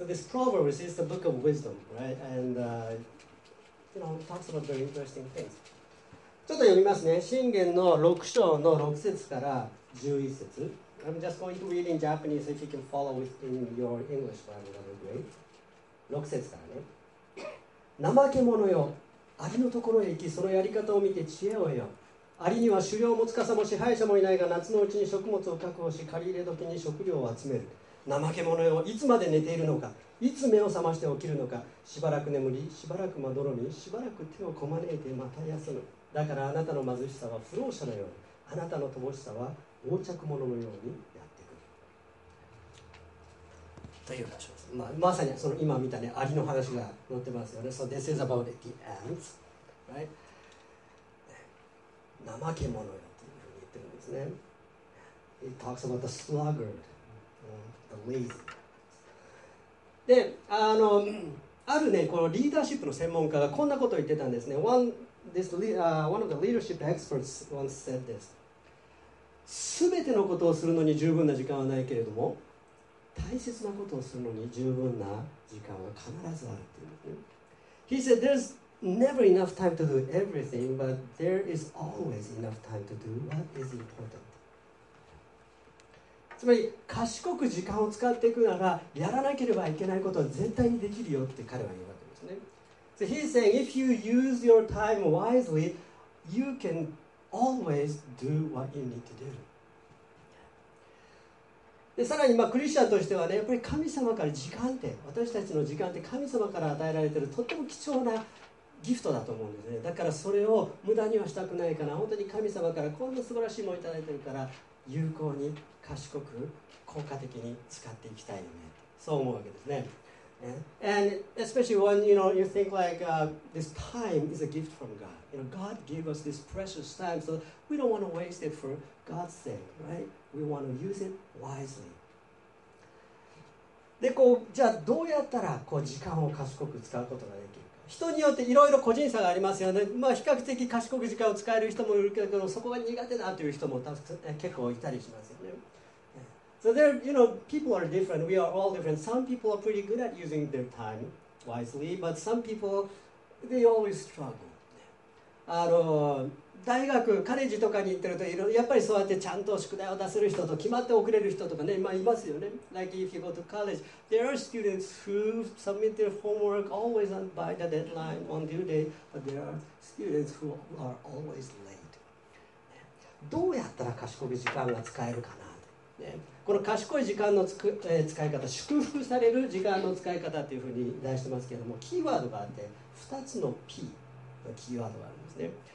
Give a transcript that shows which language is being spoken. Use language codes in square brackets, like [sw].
[en] So this Proverbs is the book of wisdom, right? And you know, it talks about very interesting things. [ja] ちょっと読みますね。箴言の6章の6節から11節。 [en] I'm just going to read in Japanese if you can follow in your English Bible, that would be great. [ja] 6節からね。怠け者よ、アリのところへ行き、そのやり方を見て知恵を得よ。アリには狩猟も司も支配者もいないが、夏のうちに食物を確保し、借り入れ時に食料を集める。怠け者よ、いつまで寝ているのか、いつ目を覚まして起きるのか、しばらく眠り、しばらくまどろみ、しばらく手をこまねいてまた休む。だからあなたの貧しさは不老者のように、あなたの乏しさは横着者のようにやってくる。という話です。まあ、まさにその今見たね、アリの話が載ってますよね。 [en] So this is about the ants, right? [ja] 怠け者よというふうに言ってるんですね。 [en] It talks about the sluggard, the lazy. [ja] で、あるね、このリーダーシップの専門家がこんなことを言ってたんですね。 [en] One of the leadership experts once said this. [ja] 全てのことをするのに十分な時間はないけれども、大切なことをするのに十分な時間は必ずあるっていう。 [en] He said there's never enough time to do everything, but there is always enough time to do what is important. [ja] つまり賢く時間を使っていくなら、やらなければいけないことは絶対にできるよって彼は言うわけですね。 [en] So he's saying, if you use your time wisely, you can always do what you need to do. [ja] でさらにまあクリスチャンとしてはね、やっぱり神様から時間って、私たちの時間って神様から与えられているとっても貴重なギフトだと思うんですね。だからそれを無駄にはしたくないから、本当に神様からこんな素晴らしいものをいただいているから、有効に賢く効果的に使っていきたいよね、そう思うわけですね。 [en] And especially when you know you think like、this time is a gift from God, you know, God gave us this precious time, so we don't want to waste it for God's sake, rightWe want to use it wisely. [ja] でこう、じゃあどうやったらこう時間を賢く使うことができるか。人によっていろいろ個人差がありますよね。まあ比較的賢く時間を使える人もいるけど、そこが苦手だという人も結構いたりしますよね。 [en] So there, you know, people are different. We are all different. Some people are pretty good at using their time wisely, but some people, they always struggle. [ja] あの大学カレッジとかに行ってると、やっぱりそうやってちゃんと宿題を出せる人と決まって遅れる人とかね、まあいますよね。 [en] Like if you go to college, there are students who submit their homework always by the deadline on due day, but there are students who are always late. [ja] どうやったら賢く時間が使えるかな、ね、この賢い時間の使い方、祝福される時間の使い方っていうふうに出してますけども、キーワードがあって2つの P のキーワードがあるんですね。